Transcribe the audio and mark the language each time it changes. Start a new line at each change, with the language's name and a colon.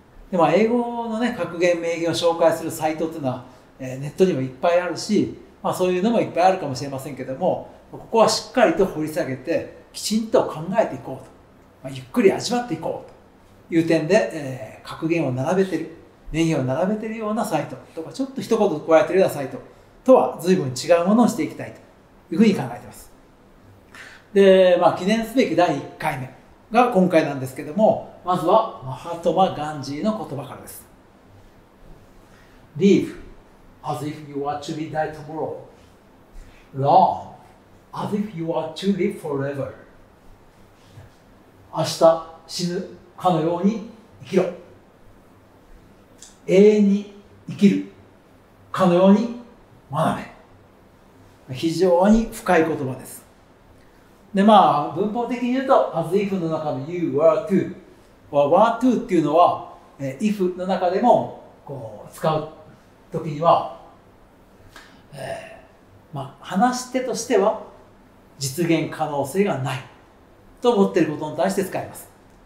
Japanese: で、まあ、英語の、ね、格言名言を紹介するサイトというのは、ネットにもいっぱいあるし、まあ、そういうのもいっぱいあるかもしれませんけども、ここはしっかりと掘り下げてきちんと考えていこうと、まあ、ゆっくり味わっていこうという点で、格言を並べている、名言を並べているようなサイトとか、ちょっと一言加えているようなサイトとは随分違うものをしていきたいというふうに考えています。で、まあ、記念すべき第1回目が今回なんですけども、まずはマハトマ・ガンジーの言葉からです。
English: Live as if you are to be die tomorrow. Long as if you are to live forever.
Japanese: 明日死ぬかのように生きろ。永遠に生きるかのように学べ。非常に深い言葉です。で、まあ、文法的に言うと、as if の中の you were to は、were to っていうのは、if の中でもこう使うときには、まあ、話し手としては実現可能性がないと思っていることに対して使います。